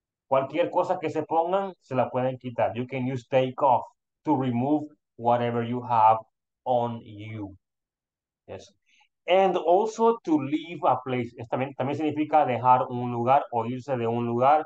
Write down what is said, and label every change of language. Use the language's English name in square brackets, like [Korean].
[Spanish] Cualquier cosa que se pongan, se la pueden quitar. [English] You can use take off to remove whatever you have on you. Yes. And also to leave a place. [Spanish] Es también significa dejar un lugar o irse de un lugar.